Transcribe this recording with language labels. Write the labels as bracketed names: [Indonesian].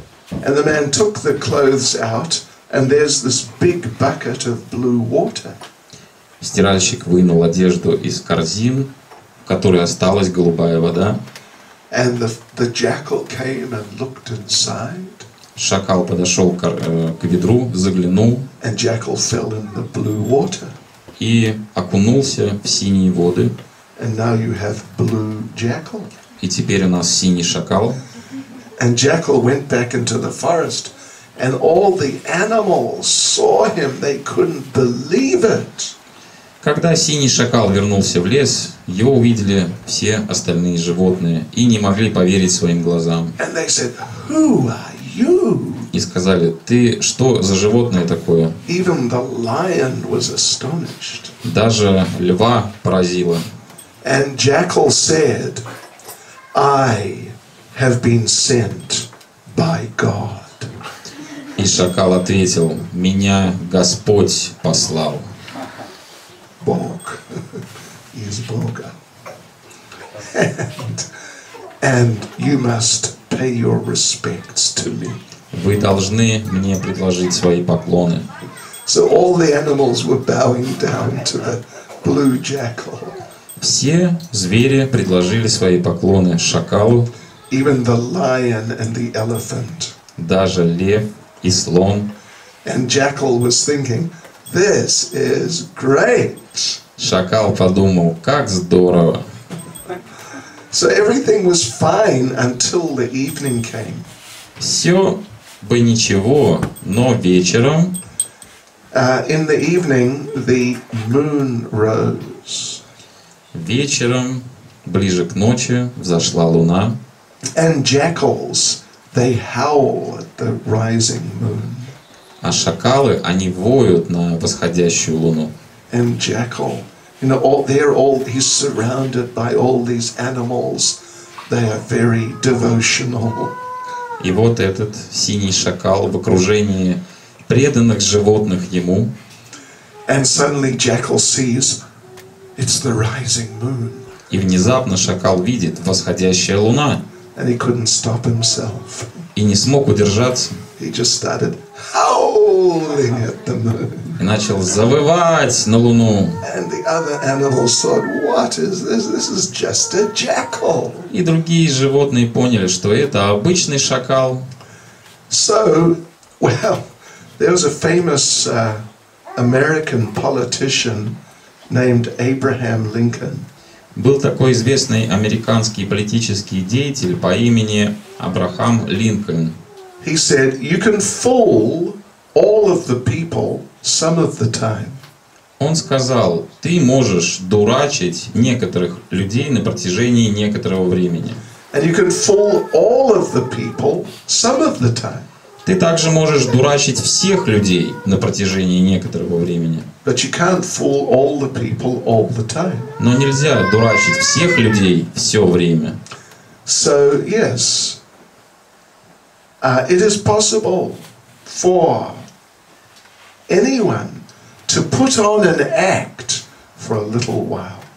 [English] And the man took the clothes out, and there's this big bucket of blue water. [Russian] Стиральщик вынул одежду из корзин, в которой осталась голубая вода. [English] And the jackal came and looked inside. [Russian] Шакал подошел к ведру, заглянул. [English] And jackal fell in the blue water. [Russian] И окунулся в синие воды. [English] And now you have blue jackal. [Russian] И теперь у нас синий шакал. [English] And jackal went back into the forest, and all the animals saw him. They couldn't believe it. [Russian] Когда синий шакал вернулся в лес, его увидели все остальные животные и не могли поверить своим глазам. [English] And they said, "Who are you?" [Russian] И сказали, ты что за животное такое? [English] Even the lion was astonished. [Russian] Даже льва поразило. [English] And jackal said, I have been sent by God. [Russian] И шакал ответил, меня Господь послал. Бог. Из Бога. [English] And you must pay your respects to me. [Russian] Вы должны мне предложить свои поклоны. [English] So all the animals were bowing down to the blue jackal. [Russian] Все звери предложили свои поклоны шакалу. [English] Even the lion and the elephant. [Russian] Даже лев и слон. [English] And jackal was thinking, this is great. [Russian] Шакал подумал, как здорово. [English] So everything was fine until the evening came. [Russian] Все бы ничего, но вечером. [English] In the evening, the moon rose. [Russian] Вечером, ближе к ночи, взошла луна. [English] And jackals, they howl at the rising moon. [Russian] А шакалы, они воют на восходящую луну. [English] And jackal, you know, all, they're all, he's surrounded by all these animals. They are very devotional. [Russian] И вот этот синий шакал в окружении преданных животных ему. [English] And suddenly jackal sees it's the rising moon. [Russian] И внезапно шакал видит восходящая луна. [English] And he couldn't stop himself. [Russian] И не смог удержаться. [English] He just started howling at the moon. [Russian] И начал завывать на луну. [English] And the other animals thought, what is this? This is just a jackal. [Russian] И другие животные поняли, что это обычный шакал. [English] So, well, there was a famous American politician named Abraham Lincoln. [Russian] Был такой известный американский политический деятель по имени Абрахам Линкольн. [English] He said, "You can fool all of the people some of the time." [Russian] Он сказал, ты можешь дурачить некоторых людей на протяжении некоторого времени. [English] And you can fool all of the people some of the time. [Russian] Ты также можешь дурачить всех людей на протяжении некоторого времени. [English] But you can't fool all the people all the time. [Russian] Но нельзя дурачить всех людей все время. [English] So, yes, it is possible for anyone to put on an act for a little while.